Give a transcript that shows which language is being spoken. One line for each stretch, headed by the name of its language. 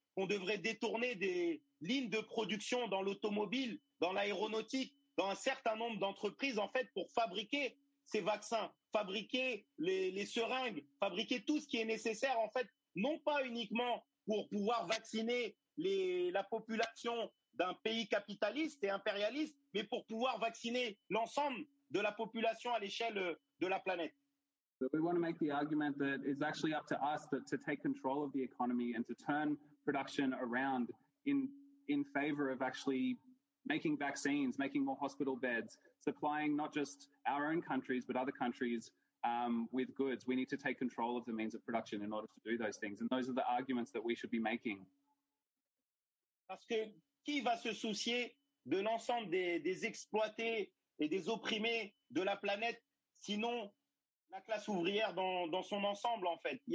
French: On devrait détourner des lignes de production dans l'automobile, dans l'aéronautique, dans un certain nombre d'entreprises, en fait, pour fabriquer ces vaccins, fabriquer les seringues, fabriquer tout ce qui est nécessaire, en fait, non pas uniquement pour pouvoir vacciner la population d'un pays capitaliste et impérialiste, mais pour pouvoir vacciner l'ensemble de la population à l'échelle de la planète.
English: So we want to make the argument that it's actually up to us to take control of the economy and to turn production around in favor of actually making vaccines, making more hospital beds, supplying not just our own countries, but other countries with goods. We need to take control of the means of production in order to do those things. And those are the arguments that we should be making.
French: Parce que qui va se soucier de l'ensemble des exploités et des opprimés de la planète, sinon la classe ouvrière dans son ensemble, en fait?